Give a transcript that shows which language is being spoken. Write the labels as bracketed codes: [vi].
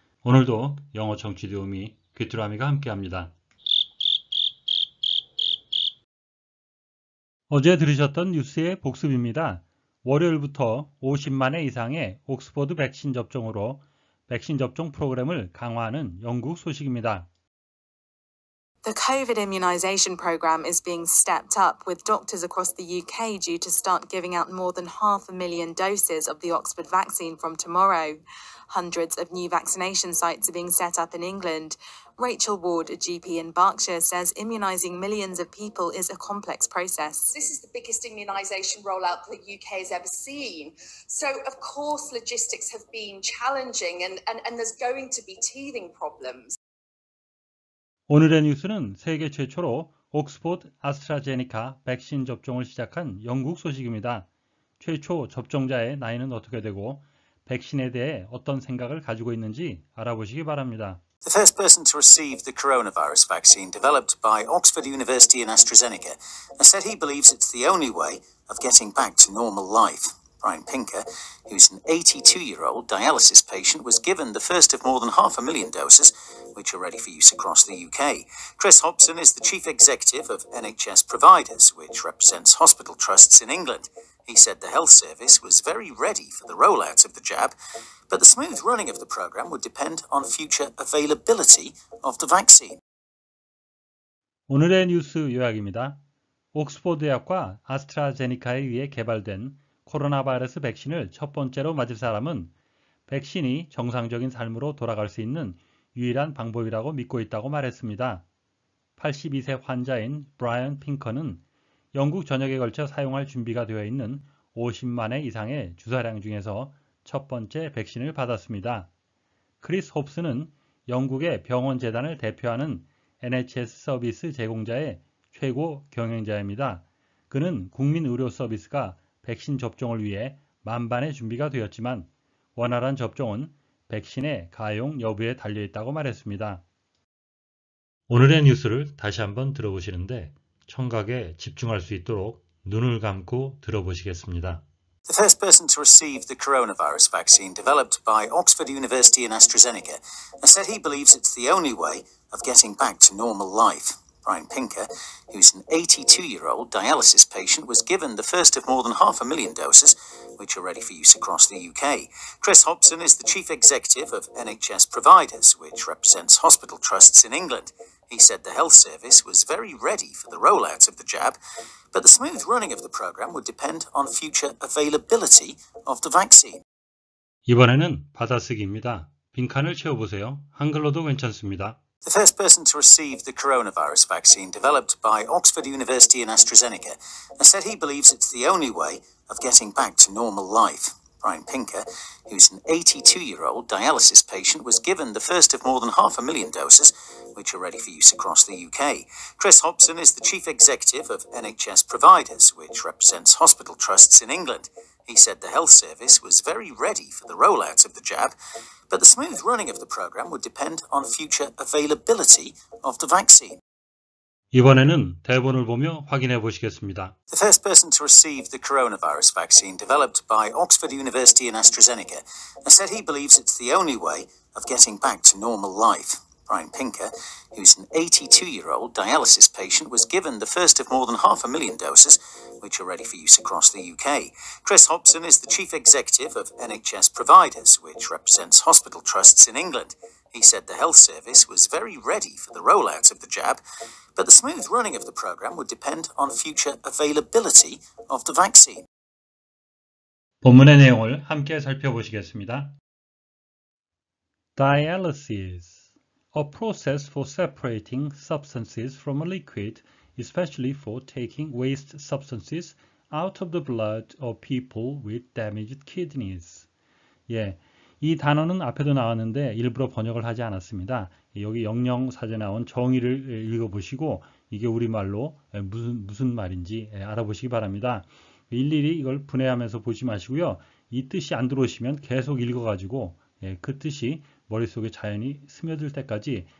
[ko] 오늘도 영어 청취 도우미 귀뚜라미가 함께합니다. 어제 들으셨던 뉴스의 복습입니다. 월요일부터 50만회 이상의 옥스퍼드 백신 접종으로 백신 접종 프로그램을 강화하는 영국 소식입니다. [en] The COVID immunisation programme is being stepped up, with doctors across the UK due to start giving out more than 500,000 doses of the Oxford vaccine from tomorrow. Hundreds of new vaccination sites are being set up in England. Rachel Ward, a GP in Berkshire, says immunising millions of people is a complex process. This is the biggest immunisation rollout the UK has ever seen. So, of course, logistics have been challenging and there's going to be teething problems. [ko] 오늘의 뉴스는 세계 최초로 옥스퍼드 아스트라제네카 백신 접종을 시작한 영국 소식입니다. 최초 접종자의 나이는 어떻게 되고 백신에 대해 어떤 생각을 가지고 있는지 알아보시기 바랍니다. [en] The first person to receive the coronavirus vaccine developed by Oxford University and AstraZeneca has said he believes it's the only way of getting back to normal life. Brian Pinker, who's an 82-year-old dialysis patient, was given the first of more than 500,000 doses, which are ready for use across the UK. Chris Hobson is the chief executive of NHS Providers, which represents hospital trusts in England. He said the health service was very ready for the rollout of the jab, but the smooth running of the program would depend on future availability of the vaccine. [ko] 오늘의 뉴스 요약입니다. 옥스퍼드 대학과 아스트라제네카에 의해 개발된 코로나 바이러스 백신을 첫 번째로 맞을 사람은 백신이 정상적인 삶으로 돌아갈 수 있는 유일한 방법이라고 믿고 있다고 말했습니다. 82세 환자인 브라이언 핑커는 영국 전역에 걸쳐 사용할 준비가 되어 있는 50만회 이상의 주사량 중에서 첫 번째 백신을 받았습니다. 크리스 홉스는 영국의 병원 재단을 대표하는 NHS 서비스 제공자의 최고 경영자입니다. 그는 국민 의료 서비스가 백신 접종을 위해 만반의 준비가 되었지만, 원활한 접종은 백신의 가용 여부에 달려 있다고 말했습니다. 오늘의 뉴스를 다시 한번 들어보시는데, 청각에 집중할 수 있도록 눈을 감고 들어보시겠습니다. [en] The first person to receive the coronavirus vaccine developed by Oxford University and AstraZeneca has said he believes it's the only way of getting back to normal life. Brian Pinker, who's an 82-year-old dialysis patient, was given the first of more than 500,000 doses, which are ready for use across the UK. Chris Hobson is the chief executive of NHS Providers, which represents hospital trusts in England. He said the health service was very ready for the rollout of the jab, but the smooth running of the program would depend on future availability of the vaccine. [ko] 이번에는 받아쓰기입니다. 빈칸을 채워보세요. 한글로도 괜찮습니다. [en] The first person to receive the coronavirus vaccine developed by Oxford University and AstraZeneca has said he believes it's the only way of getting back to normal life. Brian Pinker, who's an 82-year-old dialysis patient, was given the first of more than 500,000 doses, which are ready for use across the UK. Chris Hobson is the chief executive of NHS Providers, which represents hospital trusts in England. He said the health service was very ready for the rollout of the jab, but the smooth running of the program would depend on future availability of the vaccine. [ko] 이번에는 대본을 보며 확인해 보시겠습니다. [en] The first person to receive the coronavirus vaccine developed by Oxford University and AstraZeneca has said he believes it's the only way of getting back to normal life. Brian Pinker, who's an 82-year-old dialysis patient, was given the first of more than 500,000 doses, which are ready for use across the UK. Chris Hobson is the chief executive of NHS Providers, which represents hospital trusts in England. He said the health service was very ready for the rollout of the jab, but the smooth running of the program would depend on future availability of the vaccine. [ko] 본문의 내용을 함께 살펴보시겠습니다. [en] Dialysis, a process for separating substances from a liquid, especially for taking waste substances out of the blood of people with damaged kidneys. [ko] 예, 이 단어는 앞에도 나왔는데 일부러 번역을 하지 않았습니다. 여기 영영사전에 나온 정의를 읽어보시고 이게 우리말로 무슨 말인지 알아보시기 바랍니다. 일일이 이걸 분해하면서 보지 마시고요. 이 뜻이 안 들어오시면 계속 읽어가지고 그 뜻이 머릿속에 자연히 스며들 때까지